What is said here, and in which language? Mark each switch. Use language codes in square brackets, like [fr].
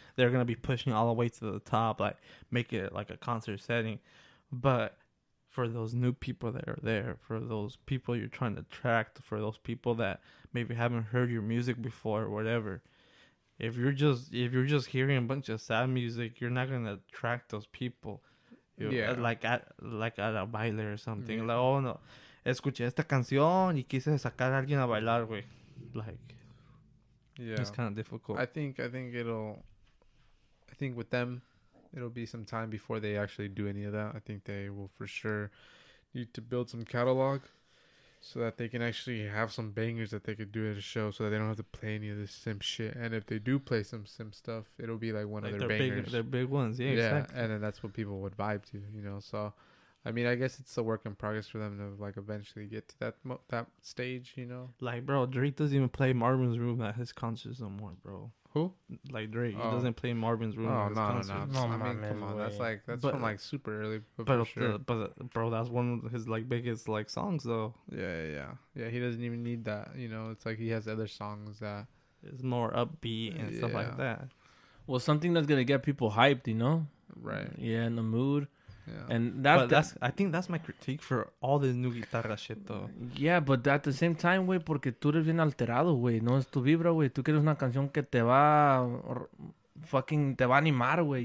[en] They're going to be pushing all the way to the top, like, make it, like, a concert setting. But... For those new people that are there, for those people you're trying to attract, for those people that maybe haven't heard your music before or whatever, if you're just hearing a bunch of sad music, you're not gonna attract those people. Like at a baile or something. Yeah. [es] Like, oh no, escuché esta canción y quise sacar a alguien a bailar, güey. [en] Like, yeah, it's kind of difficult. I think with them, it'll be some time before they actually do any of that. I think they will for sure need to build some catalog. So that they can actually have some bangers that they could do at a show, so that they don't have to play any of this simp shit. And if they do play some simp stuff, it'll be like one of their bangers. Big, they're big ones, yeah, exactly. And then that's what people would vibe to, you know. So, I mean, I guess it's a work in progress for them to like eventually get to that that stage, you know. Like, bro, Drake doesn't even play Marvin's Room at his concerts no more, bro. Who? Like Drake, he doesn't play Marvin's Room at his concerts. No, no, no. I mean, come on, that's like from like super early. But sure. Bro, that's one of his like biggest like songs though. Yeah. He doesn't even need that, you know. It's like he has other songs that is more upbeat and stuff like that. Well, something that's gonna get people hyped, you know? Right. Yeah, in the mood. Yeah. And I think that's my critique for all this new guitarra shit, though. Yeah, but at the same time, [es] güey, porque tú eres bien alterado, güey. No es tu vibra, güey. Tú quieres una canción que te va fucking te va a animar, güey.